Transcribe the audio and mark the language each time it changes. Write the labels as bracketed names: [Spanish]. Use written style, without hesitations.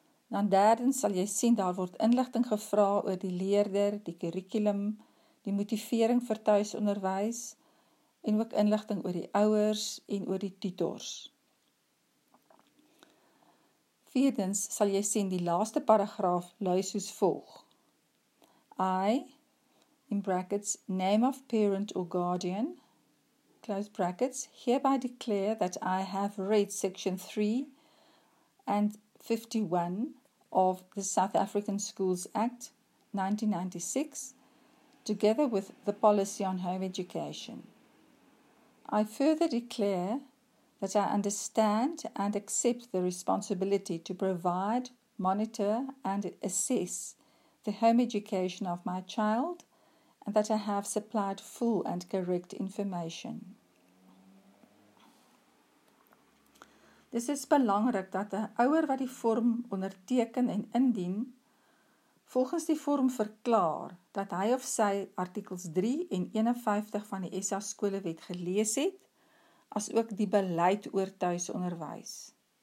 [Afrikaans] Dan derdens sal jy sien daar word inligting gevra oor die leerder, die kurrikulum, die motivering vir tuisonderwys en ook inligting oor die ouers en oor die tutors. Vierdens sal jy sien die laaste paragraaf lui soos volg. [English] I, in brackets, name of parent or guardian, close brackets, hereby declare that I have read section 3 and 51 of the South African Schools Act 1996, together with the policy on home education. I further declare that I understand and accept the responsibility to provide, monitor and assess the home education of my child and that I have supplied full and correct information. [Afrikaans] Dis is belangrik dat 'n ouer wat die vorm onderteken en indien, volgens die vorm verklaar dat hy of sy artikels 3 en 51 van die SA Skolewet gelees het, as ook die beleid oor tuisonderwys.